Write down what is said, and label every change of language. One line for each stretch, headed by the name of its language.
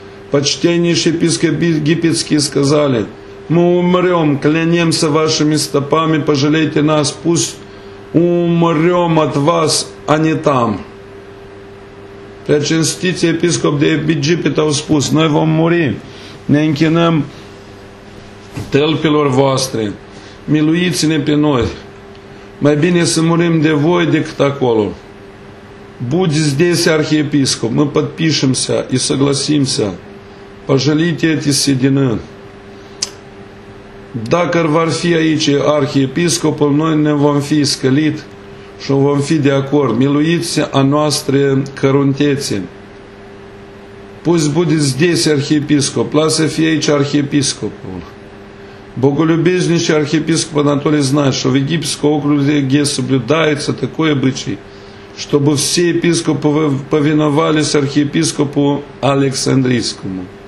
Russian: Почтеннейшие епископы египетские сказали, мы умрем, клянемся вашими стопами, пожалейте нас, пусть умрем от вас, а не там.
Romanian: Преченститый епископ де Египта спус, noi vom muri, ne închinăm tălpilor voastre, miluiți-ne pe noi, mai bine să murim de voi decât acolo.
Russian: Будь здесь, архиепископ, мы подпишемся и согласимся, пожалите эти седины.
Romanian: Dacă ar fi aici архиепископul, noi ne vom fi scălit, și vom fi de acord. Miluiți a noastră căruntețe.
Russian: Пусть будет здесь архиепископ.
Romanian: Lasă fie aici архиепископul.
Russian: Боголюбезнейший архиепископ Анатолий знает, что в египетском округе соблюдается такой обычай, чтобы все епископы повиновались архиепископу Александрийскому.